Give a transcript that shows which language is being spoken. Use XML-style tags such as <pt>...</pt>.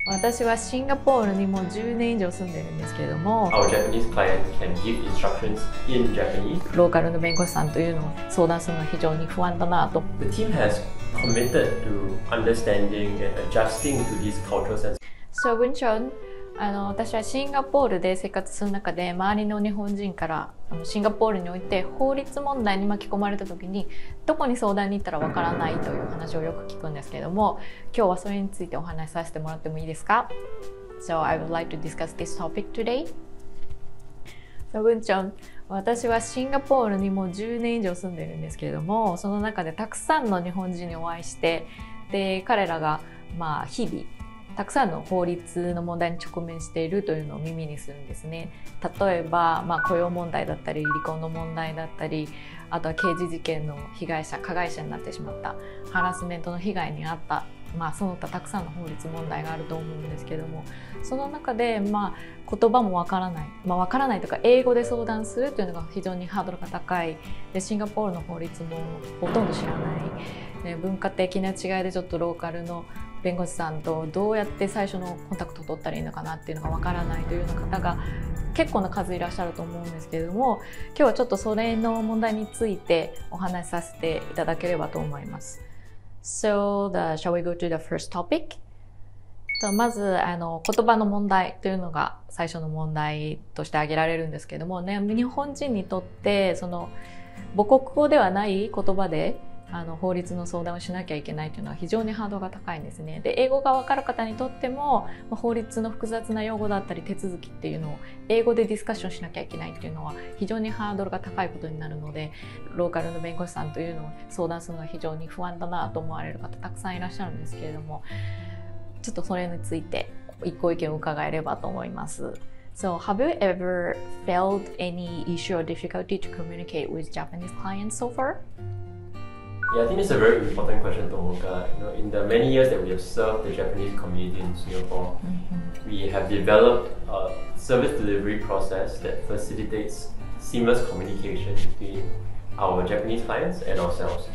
<ja>私はシンガポールにもう10年以上住んでるんですけれども、</ja> <en>Our Japanese client can give instructions in Japanese.</en> <ja>ローカルの弁護士さんというのを相談するのは非常に不安だなと。</ja> <en>The team has committed to understanding and adjusting to these cultural sense.</en> <ja>So, Boon Chong, 私はシンガポールで生活する中で、周りの日本人からシンガポールにおいて法律問題に巻き込まれた時にどこに相談に行ったらわからないという話をよく聞くんですけれども、今日はそれについてお話しさせてもらってもいいですか？</ja> <en>So I would like to discuss this topic today.</en> <ja>So, Boon Chong, 私はシンガポールにもう10年以上住んでるんですけれども、その中でたくさんの日本人にお会いして、で彼らがまあ日々たくさんの法律の問題に直面しているというのを耳にするんですね。例えば、まあ、雇用問題だったり離婚の問題だったり、あとは刑事事件の被害者加害者になってしまった、ハラスメントの被害に遭った、まあ、その他たくさんの法律問題があると思うんですけども、その中で、まあ、言葉もわからない、まあ、わからないとか英語で相談するというのが非常にハードルが高い。でシンガポールの法律もほとんど知らない、文化的な違いでちょっとローカルの弁護士さんとどうやって最初のコンタクトを取ったらいいのかなっていうのがわからないというような方が結構な数いらっしゃると思うんですけれども、今日はちょっとそれの問題についてお話しさせていただければと思います。</ja> <en>So, shall we go to the first topic?</en> <ja>まず言葉の問題というのが最初の問題として挙げられるんですけれども、ね、日本人にとってその母国語ではない言葉で法律の相談をしなきゃいけないというのは非常にハードが高いんですね。で英語が分かる方にとっても法律の複雑な用語だったり手続きっていうのを英語でディスカッションしなきゃいけないっていうのは非常にハードルが高いことになるので、ローカルの弁護士さんというのを相談するのが非常に不安だなと思われる方たくさんいらっしゃるんですけれども、ちょっとそれについて一個意見を伺えればと思います。</ja> <en>So, have you ever felt any issue or difficulty to communicate with Japanese clients so far? Yeah, I think it's a very important question, Tomoka. You know, in the many years that we have served the Japanese community in Singapore, we have developed a service delivery process that facilitates seamless communication between our Japanese clients and ourselves.</en>